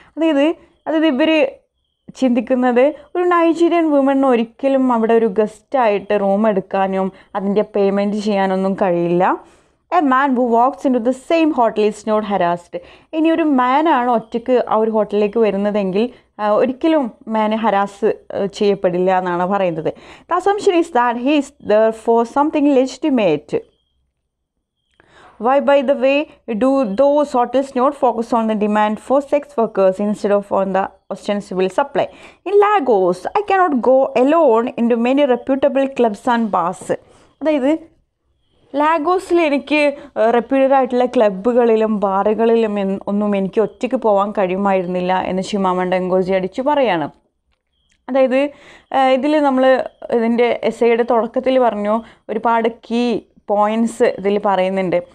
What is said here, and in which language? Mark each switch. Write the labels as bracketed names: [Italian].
[Malayalam] അതായത് ഇവർ ചിന്തിക്കുന്നത് ഒരു നൈജീരിയൻ വുമൺ ഒരിക്കലും അവിടെ ഒരു ഗസ്റ്റായിട്ട് റൂം എടുക്കാനും അതിൻ്റെ പേയ്മെൻറ്റ് ചെയ്യാനൊന്നും കഴിയില്ല. [English] A man who walks into the same hotel is not harassed. [Malayalam] ഇനി ഒരു മാനാണ് ഒറ്റയ്ക്ക് ആ ഒരു ഹോട്ടലിലേക്ക് വരുന്നതെങ്കിൽ ഒരിക്കലും മാന് ഹരാസ് ചെയ്യപ്പെടില്ല എന്നാണ് പറയുന്നത്. [English] The assumption is that he is there for something legitimate. Why, by the way, do those hotels not focus on the demand for sex workers instead of on the ostensible supply? In Lagos, I cannot go alone into many reputable clubs and bars. [Malayalam] അതായത് ലാഗോസിൽ എനിക്ക് reputed ആയിട്ടുള്ള ക്ലബുകളിലും ബാറുകളിലും ഒന്നും എനിക്ക് ഒറ്റയ്ക്ക് പോകാൻ കഴിയുമായിരുന്നില്ല എന്ന് ചിമാമണ്ട എങ്കോസി അടിച്ച് പറയാണ്. അതായത് ഇതിൽ നമ്മൾ ഇതിൻ്റെ എസ്സേയുടെ തുടക്കത്തിൽ പറഞ്ഞു ഒരുപാട് കീ പോയിൻസ് ഇതിൽ പറയുന്നുണ്ട്.